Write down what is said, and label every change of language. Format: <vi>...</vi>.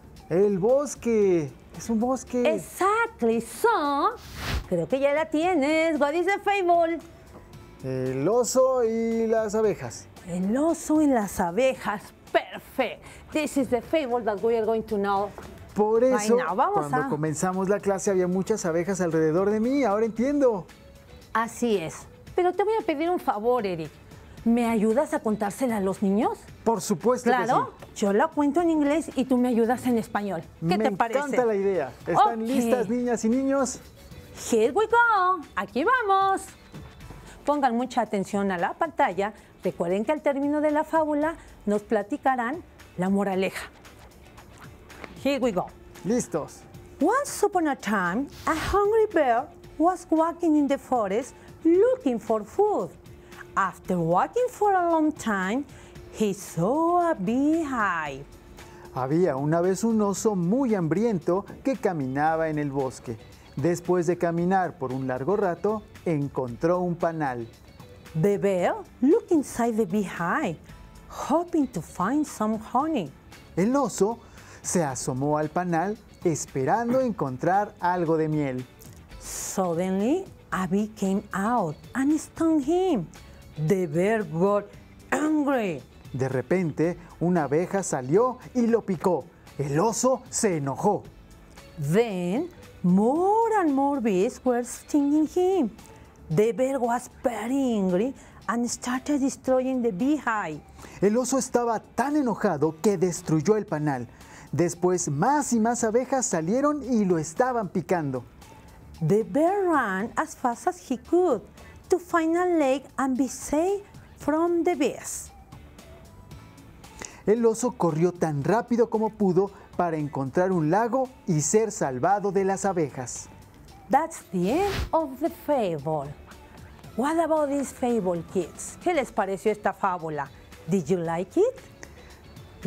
<es>El bosque. Es un bosque.</es> <en>Exactly. So,</en> <es>creo que ya la tienes.</es> <en>What is the fable?</en> <es>El oso y las abejas. El oso y las abejas. Perfect.</es> <en>This is the fable that we are going to know.</en> <es>Por eso, cuando comenzamos la clase, había muchas abejas alrededor de mí. Ahora entiendo. Así es. Pero te voy a pedir un favor, Eric. ¿Me ayudas a contársela a los niños? Por supuesto. ¿Claro? Que sí. Claro. Yo la cuento en inglés y tú me ayudas en español. ¿Qué te parece? Me encanta la idea. ¿Están listas, niñas y niños?</es> <en>Here we go.</en> <es>Aquí vamos. Pongan mucha atención a la pantalla. Recuerden que al término de la fábula nos platicarán la moraleja.</es> <en>Here we go.</en> <es>Listos.</es> <en>Once upon a time, a hungry bear was walking in the forest looking for food. After walking for a long time, he saw a beehive.</en> <es>Había una vez un oso muy hambriento que caminaba en el bosque. Después de caminar por un largo rato, encontró un panal.</es> <en>The bear looked inside the beehive, hoping to find some honey.</en> <es>El oso se asomó al panal, esperando encontrar algo de miel.</es> <en>Suddenly, a bee came out and stung him. The bear got angry.</en> <es>De repente, una abeja salió y lo picó. El oso se enojó.</es> <en>Then, more and more bees were stinging him. The bear was very angry and started destroying the beehive.</en> <es>El oso estaba tan enojado que destruyó el panal. Después, más y más abejas salieron y lo estaban picando.</es> <en>The bear ran as fast as he could to find a leg and be safe from the bees.</en> <es>El oso corrió tan rápido como pudo para encontrar un lago y ser salvado de las abejas.</es> <en>That's the end of the fable. What about this fable, kids?</en> <es>¿Qué les pareció esta fábula?</es> <en>Did you like it?</en>